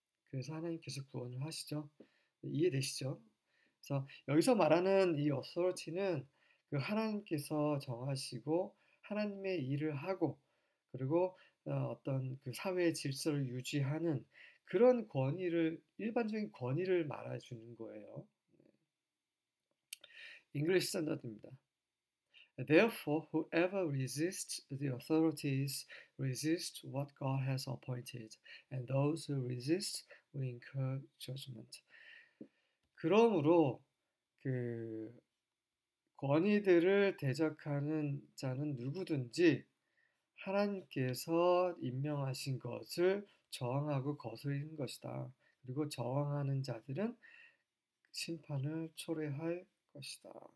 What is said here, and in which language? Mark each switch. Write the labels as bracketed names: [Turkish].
[Korean] 그래서 하나님께서 구원을 하시죠. 이해되시죠? 그래서 여기서 말하는 이 authority는 그 하나님께서 정하시고 하나님의 일을 하고 그리고 어떤 그 사회의 질서를 유지하는 그런 권위를 일반적인 권위를 말해주는 거예요. English Standard입니다. [English] Therefore, whoever resists the authorities resists what God has appointed, and those who resist will incur judgment. [Korean] 그러므로 권위들을 대적하는 자는 누구든지 하나님께서 임명하신 것을 저항하고 거스르는 것이다. 그리고 저항하는 자들은 심판을 초래할 것이다. 것이다.